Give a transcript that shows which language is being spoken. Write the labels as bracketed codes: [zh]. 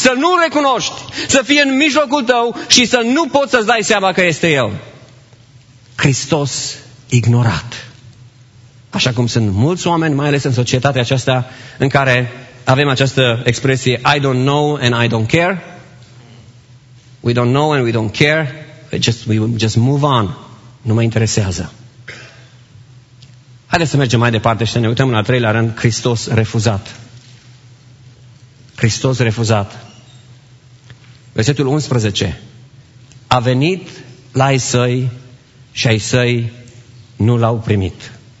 [ro] Să nu recunoști, să fie în mijlocul tău și să nu poți să-ți dai seama că este El. Hristos ignorat. Așa cum sunt mulți oameni, mai ales în societatea aceasta, în care avem această expresie, [en] I don't know and I don't care. We don't know and we don't care. We just move on. [ro] Nu mă interesează. Haideți să mergem mai departe și să ne uităm la treilea rând, Hristos refuzat. Hristos refuzat. Versetul 11. A venit la ai săi și ai săi nu L-au primit.